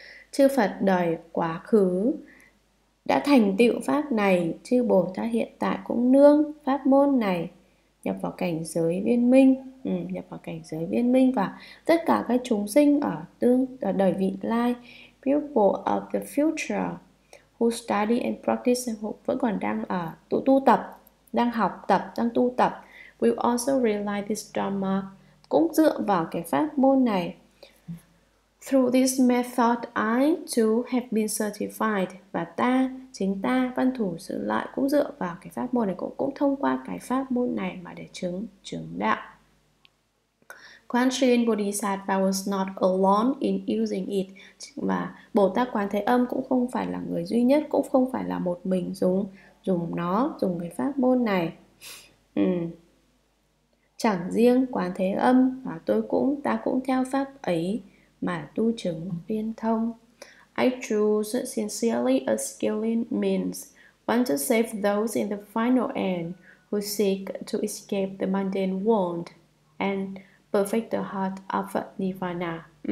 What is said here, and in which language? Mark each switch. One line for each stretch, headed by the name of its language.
Vietnamese: Chư Phật đời quá khứ đã thành tựu pháp này, chư Bồ Tát hiện tại cũng nương pháp môn này nhập vào cảnh giới viên minh, nhập vào cảnh giới viên minh, và tất cả các chúng sinh ở đời vị lai,
English: pupil of the future who study and practice,
Vietnamese: vẫn còn đang ở tu tập, đang học tập, đang tu tập,
English: will also realize this dharma,
Vietnamese: cũng dựa vào cái pháp môn này.
English: Through this method, I too have been certified.
Vietnamese: Và ta, chính ta, văn thủ xử lại cũng dựa vào cái pháp môn này, cũng thông qua cái pháp môn này mà để chứng chứng đạo.
English: Quán Thế Âm Bodhisattva was not alone in using it.
Vietnamese: Và Bồ Tát Quán Thế Âm cũng không phải là người duy nhất, cũng không phải là một mình dùng dùng nó, dùng cái pháp môn này. Chẳng riêng Quán Thế Âm, và ta cũng theo pháp ấy mà tu chứng viên thông.
English: I choose sincerely a skillful means, want to save those in the final end who seek to escape the mundane world and perfect the heart of Nirvana.